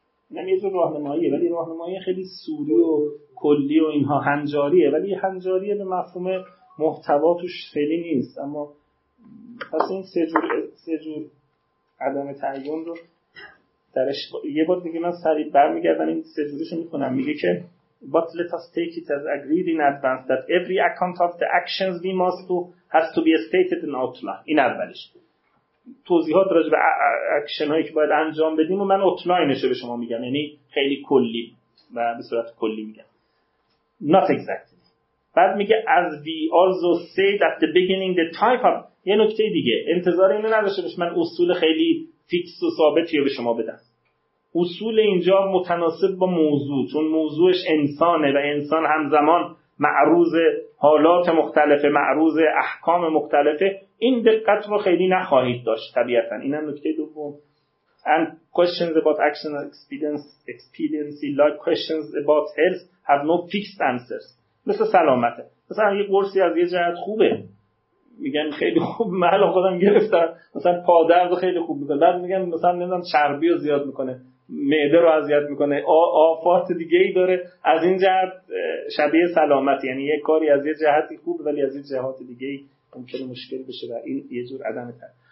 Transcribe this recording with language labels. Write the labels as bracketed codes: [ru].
[fa] اینم یه جور راهنماییه، ولی راهنمایی خیلی سوری و کلی و اینها هنجاریه، ولی هنجاریه به مفهوم محتوا توش خیلی نیست. اما پس این سه جور عدم تعیین رو درش یه بار دیگه من سریع برمیگردم این سه جورش رو میکنم. میگه که [en] but let us take it as agreed in advance that every account of the actions we must do has to be stated in outline. [fa] این اولش توضیحات راجع به اکشن هایی که باید انجام بدیم و من اوتلاینش رو به شما میگم، یعنی خیلی کلی و به صورت کلی میگم، [en] not exactly. [fa] بعد میگه [en] as we also said at the beginning the type of، [fa] یه نکته دیگه انتظار اینو نداشته باشه من اصول خیلی فیکس و ثابتی رو به شما بدم. اصول اینجا متناسب با موضوع، چون موضوعش انسانه و انسان همزمان معروض حالات مختلفه، معروض احکام مختلفه، این دقت رو خیلی نخواهید داشت طبیعتا. اینم نکته دوم. [en] And questions about action expediency like questions about health have no fixed answers. [fa] مثل سلامته، مثلا یه قرصی از یه جهت خوبه، میگن خیلی خوب، معلوم خودم گرفتم مثلا پادرد خیلی خوب میکنه، بعد میگن مثلا نمیدونم چربی رو زیاد میکنه، معده رو اذیت میکنه، آفات دیگه ای داره، از این جهت شبیه سلامتی، یعنی یک کاری از یه جهتی خوب ولی از این جهات دیگه ای ممکنه مشکل بشه و این یه جور عدم تعیین.